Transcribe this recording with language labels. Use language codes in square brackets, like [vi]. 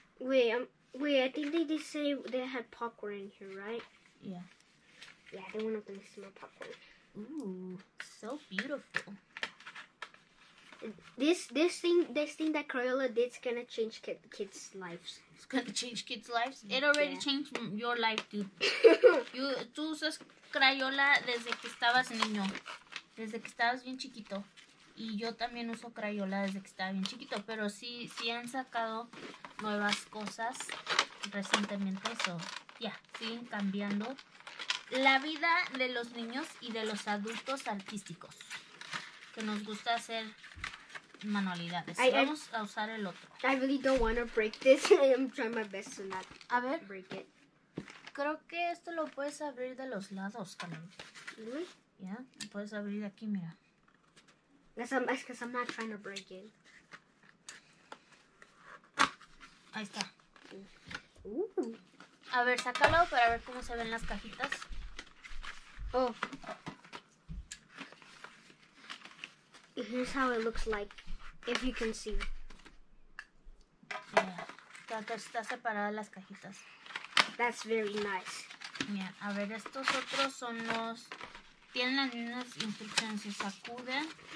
[en] Wait, I think they did say they had popcorn in here, right? Yeah. Yeah, they went up and smell popcorn. Ooh, so beautiful. This thing that Crayola did is gonna change kids' lives. It's gonna change kids' lives. It already changed your life, dude. [es] Tú usas Crayola desde que estabas niño, desde que estabas bien chiquito. Y yo también uso Crayola desde que estaba bien chiquito. Pero sí han sacado nuevas cosas recientemente. So, siguen cambiando la vida de los niños y de los adultos artísticos. Que nos gusta hacer manualidades. Vamos a usar el otro. [en] I really don't want to break this. I'm trying my best to not break it. [es] Creo que esto lo puedes abrir de los lados, Carmen. [en] Really? [es] Yeah. Puedes abrir de aquí, mira. [en] That's because I'm not trying to break it. [es] Ahí está. Ooh. A ver, sácalo para ver cómo se ven las cajitas. Oh. [en] Here's how it looks like, if you can see. [es] Yeah, está separada las cajitas. [en] That's very nice. [es] Yeah, a ver, estos otros son los... Tienen las mismas instrucciones, se sacuden.